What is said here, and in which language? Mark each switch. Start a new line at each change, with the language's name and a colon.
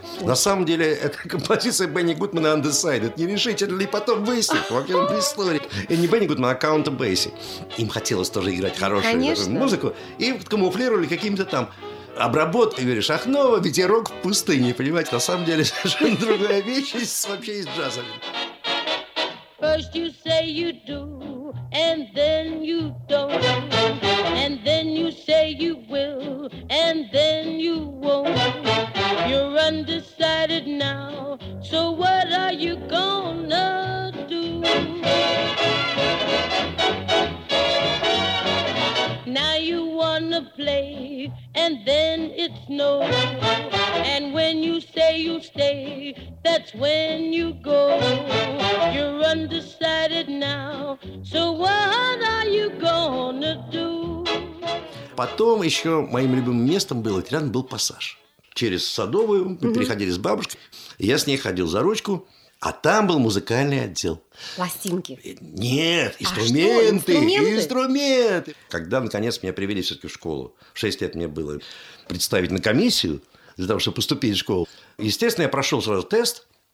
Russian: На самом деле, это композиция Бенни Гудмана «Undecided». Не решите, или потом выяснить. Во-первых, история. И не Бенни Гудман, а Каунта Бейси. Им хотелось тоже играть хорошую музыку. И камуфлировали какими-то там обработка, Юрия Шахнова, «Ветерок в пустыне». Понимаете, на самом деле совершенно другая вещь вообще из джаза.
English: First you say you do, and then you don't. And then you say you will, and then you won't. You're undecided now, so what are you gonna do? Now you wanna play, and then it's no. And when you say you stay, that's when you go. You're undecided now, so what are you gonna do?
Russian: Потом еще моим любимым местом был, рядом был пассаж. Через Садовую мы переходили с бабушкой, я с ней ходил за ручку. А там был музыкальный отдел. Пластинки? Нет, инструменты. А что, инструменты? Инструменты. Когда, наконец, меня привели все-таки в школу. 6 лет мне было представить на комиссию для того, чтобы поступить в школу. Естественно, я прошел сразу тест.